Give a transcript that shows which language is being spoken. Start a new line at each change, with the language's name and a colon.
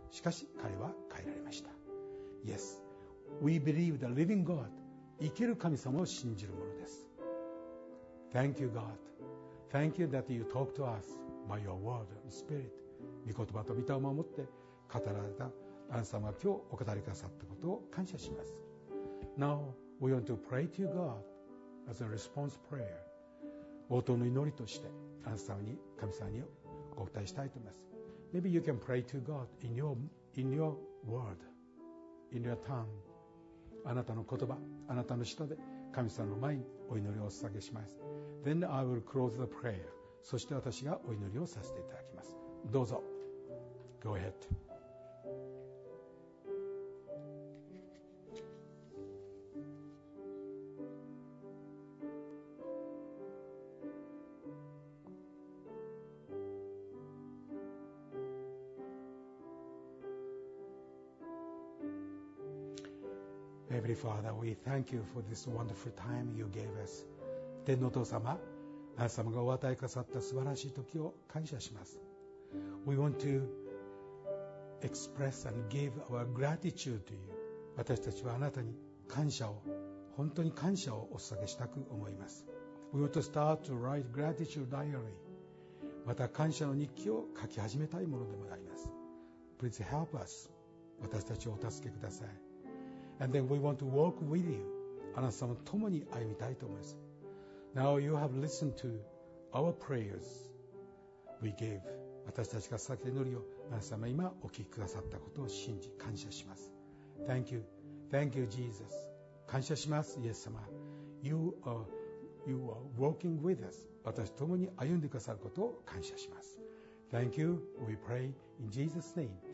Japanese: しかし彼は変えられました。
English: Yes, we believe the living God.
Japanese: 生きる神様を信じるものです。
English: Thank you, God. Thank you that you talk to us by your word and spirit.
Japanese: 御言葉と御霊を守って語られたあなた様が今日お語りくださったことを感謝します。
English: Now, we want to pray to God as a response prayer.
Japanese: 応答の祈りとしてあなた様に、神様にご答えしたいと思います。
English: Maybe you can pray to God in your word, in your tongue.
Japanese: あなたの言葉、あなたの舌で神様の前にお祈りを捧げします。
English: Then I will close the prayer.
Japanese: そして私がお祈りをさせていただきます。どうぞ。
English: Go ahead. Heavenly Father, we thank you for this wonderful time you gave us.
Japanese: 天のお父様、あなた様がお与えくださった素晴らしい時を感謝します。
English: We want to express and give our gratitude to you.
Japanese: 私たちはあなたに感謝を、本当に感謝をお捧げしたく思います。
English: We want to start to write gratitude diary.
Japanese: また感謝の日記を書き始めたいものでもあります。
English: Please help us.
Japanese: 私たちをお助けください。
English: And then we want to walk with you.
Japanese: あなた様と共に歩みたいと思います。
English: Now you have listened to our prayers we gave.
Japanese: 私たちが捧げた祈りをあなた様今お聞きくださったことを信じ感謝します。
English: Thank you. Thank you, Jesus.
Japanese: 感謝します、イエス様。
English: You are walking with us.
Japanese: 私と共に歩んでくださることを感謝します。
English: Thank you. We pray in Jesus' name.